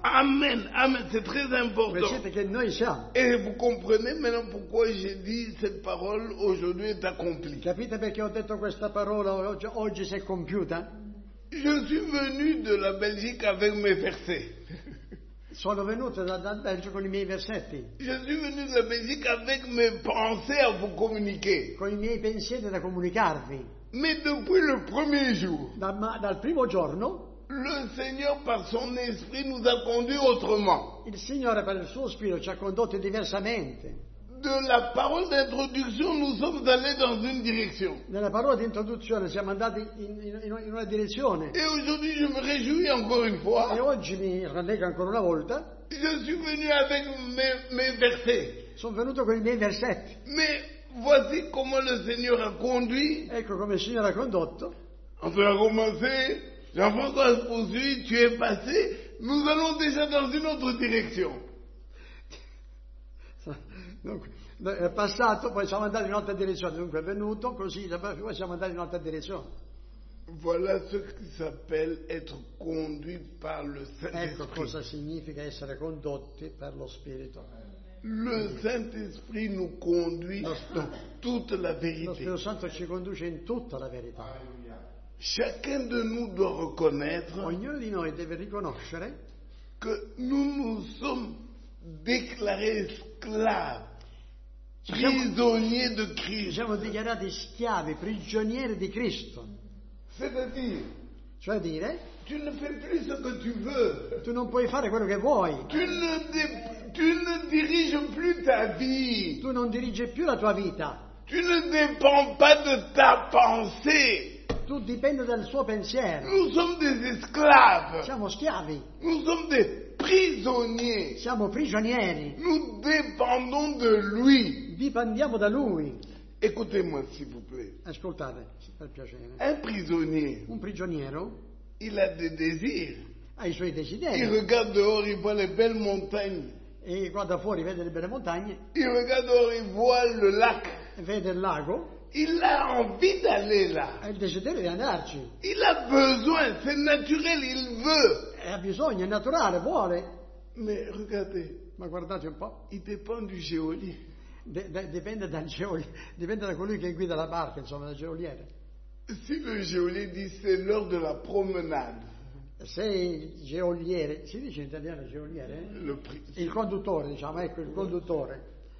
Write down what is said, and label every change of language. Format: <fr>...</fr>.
<fr>Amen, c'est très important.</fr> <it>Voi siete che noi siamo.</it> <fr>Et vous comprenez maintenant pourquoi j'ai dit cette parole aujourd'hui est accomplie.</fr> <it>Capite perché ho detto questa parola oggi si è compiuta?</it> <fr>Je suis venu de la Belgique avec mes versets.</fr> <it>Sono venuto dal Belgio con i miei versetti.</it> <fr>Je suis venu de la Belgique avec mes pensées à vous communiquer.</fr> <it>Con i miei pensieri da comunicarvi.</it> <fr>Mais depuis le premier jour.</fr> <it>Dal primo giorno.</it> <fr>Le Seigneur par son esprit nous a conduits autrement.</fr> <it>Il Signore per il suo spirito ci ha condotti diversamente.</it> <fr>De la parole d'introduction, nous sommes allés dans une direction.</fr> <it>Nella parola d'introduzione siamo andati in una direzione.</it> <fr>Et aujourd'hui, je me réjouis encore une fois.</fr> <it>E oggi mi rallegro ancora una volta.</it> <fr>Je suis venu avec mes versets.</fr> <it>Sono venuto con i miei versetti.</it> <fr>Mais voici comment le Seigneur a conduit.</fr> <it>Ecco come il Signore ha condotto.</it> <fr>On a commencé. Jean-François poursuit. Tu es passé. Nous allons déjà dans une autre direction.</fr> <it>Dunque, è passato, poi siamo andati in un'altra direzione, dunque è venuto, così poi siamo andati in un'altra direzione.</it> <fr>Voilà ce qui s'appelle être conduit par le Saint-Esprit.</fr> <it>Ecco cosa significa essere condotti per lo Spirito.</it> <fr>Le Saint-Esprit nous conduit toute la vérité.</fr> <it>Lo Spirito Santo ci conduce in tutta la verità.</it> <fr>Chacun de nous doit reconnaître.</fr> <it>Ognuno di noi deve riconoscere</it> <fr>que nous nous sommes déclarés esclaves. prisonniers de Christ.</fr> <it>Siamo dichiarati schiavi, prigionieri di Cristo.</it> <fr>C'est-à-dire,</fr> <it>cioè dire,</it> <fr>tu ne fais plus ce que tu veux.</fr> <it>Tu non puoi fare quello che vuoi.</it> <fr>Tu ne diriges plus ta vie.</fr> <it>Tu non dirige più la tua vita.</it> <fr>Tu ne dépends pas de ta pensée.</fr> <it>Tu dipende dal suo pensiero.</it> <fr>Nous sommes des esclaves.</fr> <it>Siamo schiavi.</it> <fr>Nous sommes des prisonniers.</fr> <it>Siamo prigionieri.</it> <fr>Nous dépendons de lui.</fr> <it>Dipendiamo da lui.</it> <fr>Écoutez-moi, s'il vous plaît.</fr> <it>Ascoltate, per piacere.</it> <fr>Un prisonnier.</fr> <it>Un prigioniero.</it> <fr>Il a des désirs.</fr> <it>Ha i suoi desideri.</it> <fr>Il regarde dehors, il voit les belles montagnes.</fr> <it>E guarda fuori, vede le belle montagne.</it> <fr>Il regarde dehors, il voit le lac.</fr> <it>Vede il lago.</it> <fr>Il a envie d'aller là.</fr> <it>Ha il desiderio di andarci.</it> <fr>Il a besoin, c'est naturel, il veut.</fr> <it>E ha bisogno, è naturale, vuole.</it> <fr>Mais regardez.</fr> <it>Ma guardate un po'.</it> <fr>Il dépend du geôlier.</fr> <it>Dipende dal geolier, dipende da colui che guida la barca, insomma, dal geoliere.</it> <fr>Si le geolier dit c'est l'heure de la promenade.</fr> <it>Se il geoliere, si dice in italiano geoliere? Il conduttore, diciamo, ecco, il conduttore.</it>